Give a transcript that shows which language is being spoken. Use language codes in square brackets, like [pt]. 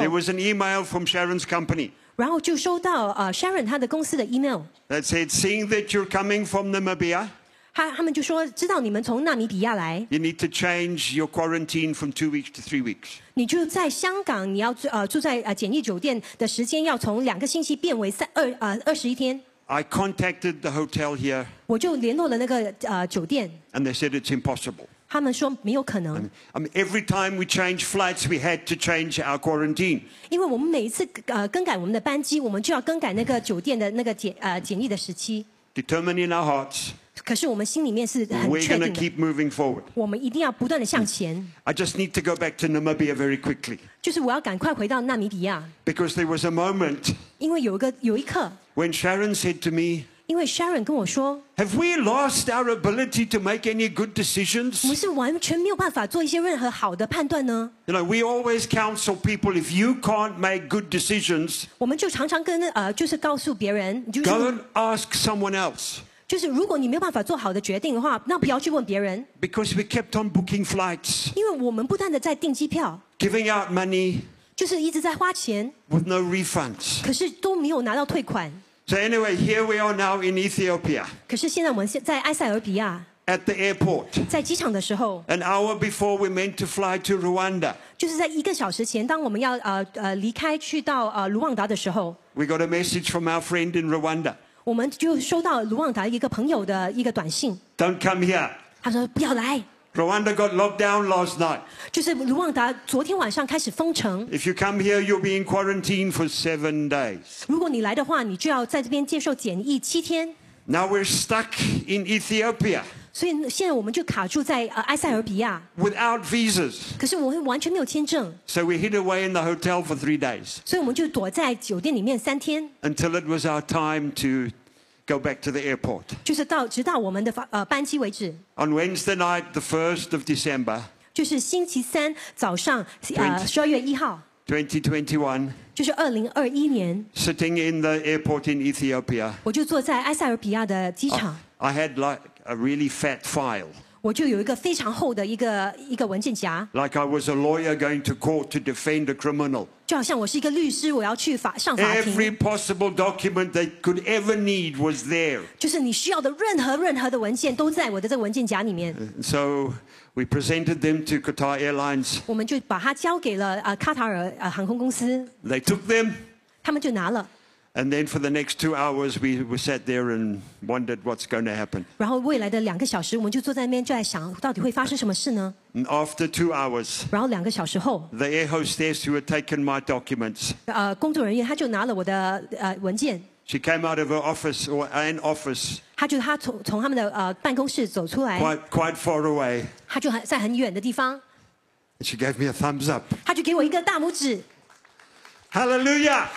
[en] There was an email from Sharon's company. [zh] 然后就收到Sharon 他的公司的 email. [en] That said, seeing that you're coming from Namibia. [zh] 他们就说知道你们从纳米比亚来。 [en] You need to change your quarantine from 2 weeks to 3 weeks. [zh] 你就在香港你要住在检疫酒店的时间要从2个星期变为21天。 [en] I contacted the hotel here. [zh] 我就联络了那个酒店。 [en] And they said it's impossible. [zh] 他们说没有可能。 [en] I mean, every time we change flights, we had to change our quarantine. [zh] 因为我们每一次更改我们的班机，我们就要更改那个酒店的那个检疫的时期。 [en] Determined in our hearts. [zh] 可是我们心里面是很确定的。 [en] We're going to keep moving forward. [zh] 我们一定要不断的向前。 [en] I just need to go back to Namibia very quickly. [zh] 就是我要赶快回到纳米比亚。 [en] Because there was a moment. [zh] 因为有一刻。 [en] When Sharon said to me, [zh] 因为 Sharon 跟我说 [en] ，Have we lost our ability to make any good decisions? [zh] 我们是完全没有办法做一些任何好的判断呢 [en] ？You know, we always counsel people if you can't make good decisions. [zh] 我们就常常跟就是告诉别人，就是 [en] Go and ask someone else. [zh] 就是如果你没有办法做好的决定的话，那不要去问别人。 [en] Because we kept on booking flights. [zh] 因为我们不断的在订机票 [en] ，giving out money. [zh] 就是一直在花钱 [en] ，with no refunds. [zh] 可是都没有拿到退款。 [en] So anyway, here we are now in Ethiopia. [zh] 可是现在我们在埃塞俄比亚。 [en] at the airport. [zh] 在机场的时候。 [en] An hour before we meant to fly to Rwanda. [zh] 就是在一个小时前，当我们要离开去到卢旺达的时候。 [en] We got a message from our friend in Rwanda. [zh] 我们就收到卢旺达一个朋友的一个短信。 [en] Don't come here. [zh] 他说不要来。 [en] Rwanda got locked down last night. [zh] 就是卢旺达昨天晚上开始封城。 [en] If you come here, you'll be in quarantine for 7 days. [zh] 如果你来的话，你就要在这边接受检疫七天。 [en] Now we're stuck in Ethiopia. [zh] 所以现在我们就卡住在埃塞俄比亚。 [en] Without visas. [zh] 可是我们完全没有签证。 [en] So we hid away in the hotel for 3 days. [zh] 所以我们就躲在酒店里面三天。 [en] Until it was our time to. Go back to the airport. [zh] 就是到直到我们的班机为止。 [en] On Wednesday night, the 1st of December. [zh] 就是星期三早上，十二月一号。 [en] 2021. [zh] 就是2021年。 [en] Sitting in the airport in Ethiopia. [zh] 我就坐在埃塞俄比亚的机场。 [en] I had like a really fat file. [zh] 我就有一个非常厚的一个文件夹。 [en] Like I was a lawyer going to court to defend a criminal. [zh] 就好像我是一个律师，我要去上法庭。 [en] Every possible document that could ever need was there. [zh] 就是你需要的任何的文件都在我的这文件夹里面。 [en] So we presented them to Qatar Airlines. [zh] 我们就把它交给了卡塔尔航空公司。 [en] They took them. [zh] 他们就拿了。 [en] And then for the next 2 hours, we were sat there and wondered what's going to happen. [zh] 然后未来的两个小时，我们就坐在那边，就在想到底会发生什么事呢？ [en] After 2 hours, [zh] 然后两个小时后， [en] the air hostess who had taken my documents, [zh] 工作人员他就拿了我的文件。 [en] She came out of her office or an office. [zh] 他从他们的办公室走出来。 [en] Quite far away. [zh] 他就在很远的地方。 [en] She gave me a thumbs up. [zh] 他就给我一个大拇指。 [en] Hallelujah!